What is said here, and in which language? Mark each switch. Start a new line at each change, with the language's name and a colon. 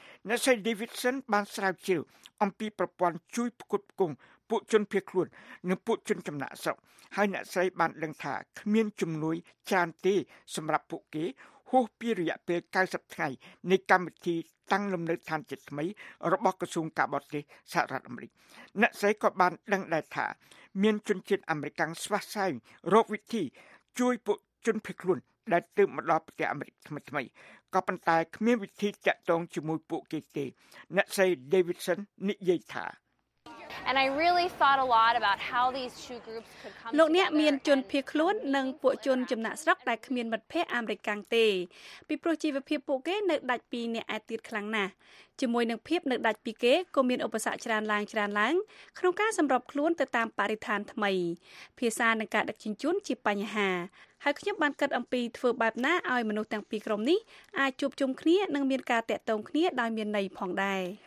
Khmer: អ្នកស្រី Davidson បានស្រាវជ្រាវអំពីប្រព័ន្ធជួយផ្គត់ផ្គង់ពួកជនភៀសខ្លួននិងពួកជនចំណាក់ស្រុកហើយអ្នកស្រីបានដឹងថាគ្មានជំនួយច្រើនទេសម្រាប់ពួកគេហួសពីរយៈពេល90ថ្ងៃនៃកម្មវិធីតាំងលំនៅឋានជាថ្មីរបស់ក្រសួងការបរទេសសហរដ្ឋអាមេរិកអ្នកស្រីក៏បានដឹងដែរថា មានជនជាតិអាមេរិកស្វាស្វែងរកវិធីជួយពួកជនភៀសខ្លួនដែលទើបមកដល់ប្រទេសអាមេរិកថ្មីៗក៏ប៉ុន្តែគ្មានវិធីទាក់ទងជាមួយពួកគេទេអ្នកស្រី Davidson និយាយថា
English: And I really thought a lot about how these two groups could come together.
Khmer: លោកអ្នកមានជនភៀសខ្លួននិងពួកជនចំណាក់ស្រុកដែលគ្មានមិត្តភ័ក្តិអាមេរិកកាំងទេពីព្រោះជីវភាពពួកគេនៅដាច់ពីអ្នកឯទៀតខ្លាំងណាស់ជាមួយនឹងភាពនៅដាច់ពីគេក៏មានឧបសគ្គច្រើនឡើងច្រើនឡើងក្នុងការសម្របខ្លួនទៅតាមបរិស្ថានថ្មីភាសានិងការដឹកជញ្ជូនជាបញ្ហាហើយខ្ញុំបានគិតអំពីធ្វើបែបណាឲ្យមនុស្សទាំងពីរក្រុមនេះអាចជួបជុំគ្នានិងមានការតេតងគ្នាដោយមានន័យផងដែរ